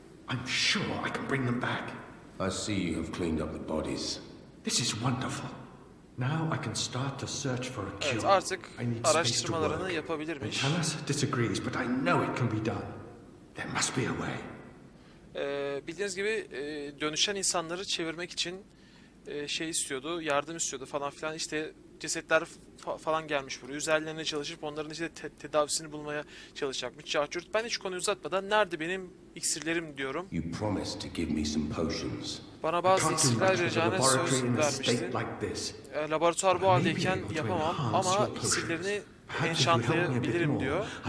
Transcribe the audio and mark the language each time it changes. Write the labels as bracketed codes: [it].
[en] I'm sure I can bring them back. I see you have cleaned up the bodies. This is wonderful. Now I can start to search for a cure. [tr] Evet, artık araştırmalarını yapabilirmiş. [en] Thomas disagrees, but I know it can be done. There must be a way. [tr] Bildiğiniz gibi dönüşen insanları çevirmek için şey istiyordu, yardım istiyordu falan filan. İşte cesetler falan gelmiş buraya. Üzerlerine çalışıp onların işte tedavisini bulmaya çalışacakmış. Cahçurt, ben hiç konuyu uzatmadan nerede benim iksirlerim diyorum. [en] You promised to give me some potions. [tr] Bana bazı iksirler vereceğine söz vermiştin. Laboratuvar bu haldeyken yapamam ama iksirlerini enşantlayabilirim diyor.